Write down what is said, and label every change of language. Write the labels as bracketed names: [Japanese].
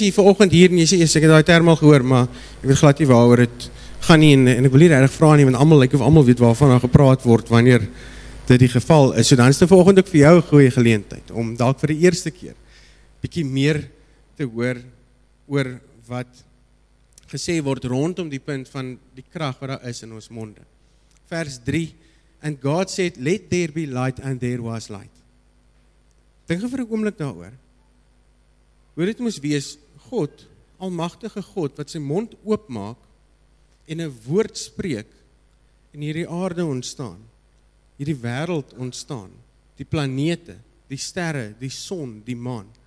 [Afrikaans] Die vanoggend hier, jy sê jy het daai term al gehoor, maar ek weet glad nie waaroor dit gaan nie en ek wil nie regtig vra nie want almal lyk of almal weet waarvan daar gepraat word wanneer dit die geval is. So dan is dit vanoggend ook vir jou 'n goeie geleentheid om dalk vir die eerste keer bietjie meer te hoor oor wat gesê word rondom die punt van die krag wat daar is in ons monde. Vers 3: [English] And God said, let there be light, and there was light. [Afrikaans] Dink vir 'n oomblik daaroor. Hoe dit moes wees, God, almagtige God, wat sy mond oopmaak en 'n woord spreek en hierdie aarde ontstaan, hierdie wêreld ontstaan, die planete, die sterre, die son, die maan.